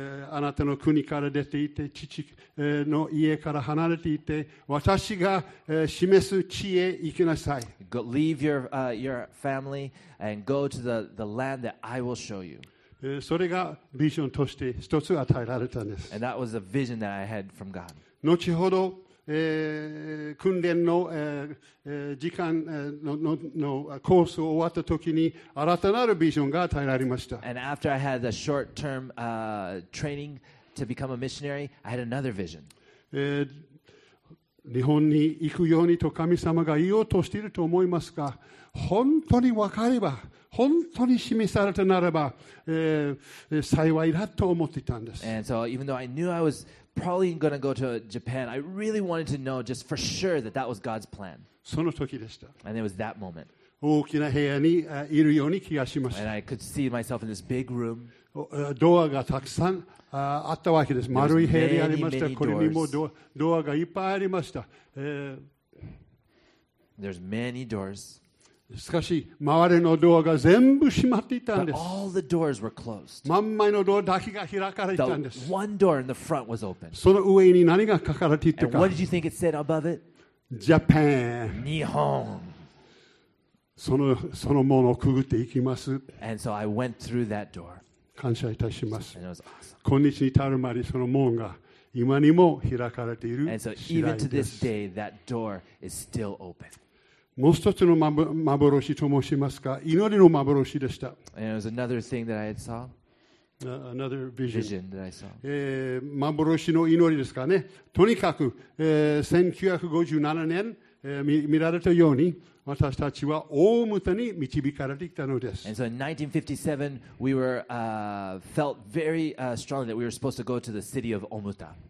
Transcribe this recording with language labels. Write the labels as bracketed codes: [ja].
[ja] あなたの国から出ていて、父の家から離れていて、私が示す地へ行きなさい。 [en] Go, leave your family and go to the land that I will show you. [ja] それがビジョンとして一つ与えられたんです。 [en] And that was a vision that I had from God. [ja] 後ほど、訓練の時間のコースを終わったときに新たなるビジョンが与えられました。 [en] And after I had a short-term training to become a missionary, I had another vision. [ja] 日本に行くようにと神様が言おうとしていると思いますが、本当に分かれば、本当に示されたならば、幸いだと思っていたんです。 [en] And so even though I knew I wasprobably going to go to Japan, I really wanted to know just for sure that that was God's plan. [ja] その時でした。 [en] And it was that moment. [ja] 大きな部屋にいるように気がしました。 [en] And I could see myself in this big room. [ja] ドアがたくさんあったわけです。丸い部屋でありました。 [en] many doors. [ja] これにもドアがいっぱいありました。 [en] There's many doors. [ja] しかし、周りのドアが全部閉まっていたんです。 [en] But all the doors were closed. [ja] 真ん前のドアだけが開かれていたんです。 [en] The one door in the front was open. [ja] その上に何が書かれていたか。 [en] And what did you think it said above it? Japan. [ja] 日本。その門をくぐっていきます。 [en] And so I went through that door. [ja] 感謝いたします。 [en] And it was awesome. [ja] 今日に至るまでその門が今にも開かれている。 [en] And so even to this day, that door is still open. [ja] もう一つの幻と申しますか、祈りの幻でした。 [en] And it was another thing that I had saw. Another vision. Vision that I saw. [ja] 幻の祈りですかね。とにかく、1957年、見られたように、私たちは大牟田に導かれてきたのです。 [en] And so in 1957, we were, felt very, strongly that we were supposed to go to the city of Omuta.